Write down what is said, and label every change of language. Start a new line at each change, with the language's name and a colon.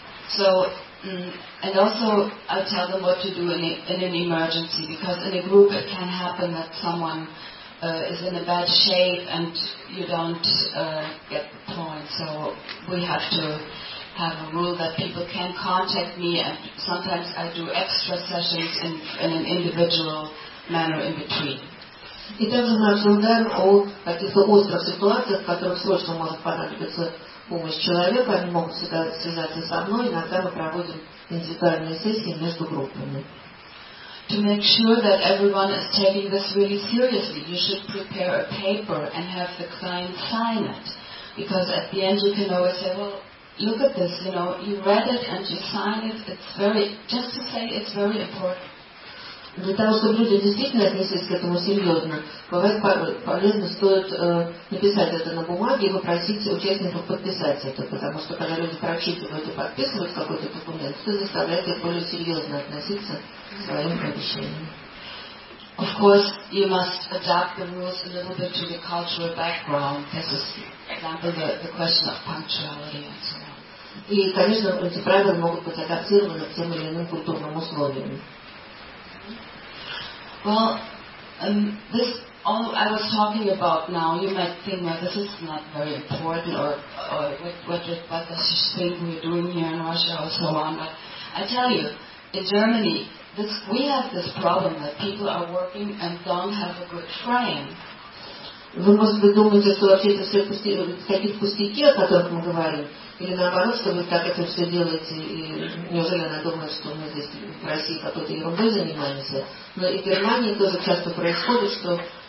English: So, and also I tell them what to do in an emergency, because in a group it can happen that someone is in a bad shape and you don't get the point. So we have a rule that people can contact me, and sometimes I do extra sessions in an individual manner in between.
Russian: И также мы обсуждаем о каких-то острых ситуациях, в которых срочно может понадобиться помощь человека. Они могут всегда связаться со мной. Иногда мы проводим индивидуальные сессии между группами.
English: To make sure that everyone is taking this really seriously, you should prepare a paper and have the client sign it. Because at the end you can always say, well, look at this, you know, you read it and you signed it. Just to say it's very important.
Russian: Для того, чтобы люди действительно отнеслись к этому серьезно, бывает полезно, стоит написать это на бумаге и попросить участников подписать это, потому что когда люди прочитывают и подписывают какой-то документ, это заставляет их более серьезно относиться к своим обещаниям.
English: Of course, you must adapt the rules a little bit to the cultural background. This is, for example, the question of punctuality and so on.
Russian: И, конечно, эти правила могут быть адаптированы к тем или иным культурным условиям.
English: Well, this all I was talking about now, you might think, well, this is not very important, or what this thing we're doing here in Russia or so on. But I tell you, in Germany, we have this problem that people are working and don't have a good frame.
Russian: Вы, может быть, думаете, что вообще это все какие-то пустяки, о которых мы говорим? Или наоборот, что вы так это все делаете, и неужели она думает, что мы здесь в России какой-то ерундой занимаемся? Но и в Германии тоже часто происходит, что...